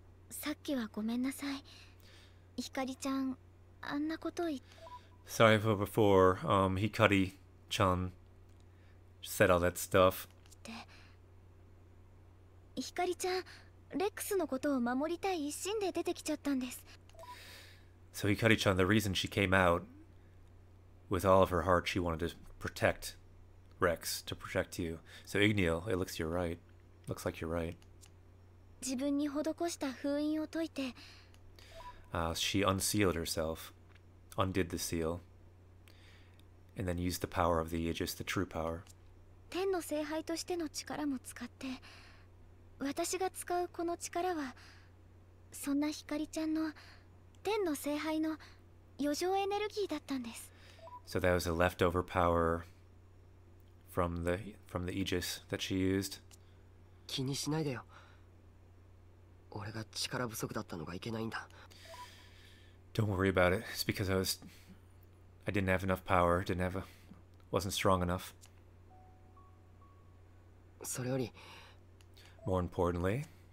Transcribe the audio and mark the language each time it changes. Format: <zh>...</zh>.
<ja>さっきはごめんなさい。ひかりちゃん、あんなこと言って。</ja> <en>Sorry for before, Hikari-chan said all that stuff.</en> <ja>Hikari-chan, Rex のことを守りたい一心で出てきちゃったんです。</ja> <en>So Hikari-chan, the reason she came out with all of her heart, she wanted to protect Rex, to protect you. So Igniel, it looks you're right. Looks like you're right.</en> <ja>自分に施した封印を解いて。</ja> <en>She unsealed herself. Undid the seal and then used the power of the Aegis, the true power.</en> <ja>天の聖杯としての力も使って、私が使うこの力は、そんな光ちゃんの天の聖杯の余剰エネルギーだったんです。</ja> <en>So that was a leftover power from the Aegis that she used.</en> <ja>気にしないでよ。俺が力不足だったのがいけないんだ。</ja> <en>Don't worry about it. It's because I didn't have enough power. Wasn't strong enough.</en> <ja>それより、</ja> <en>more importantly,</en>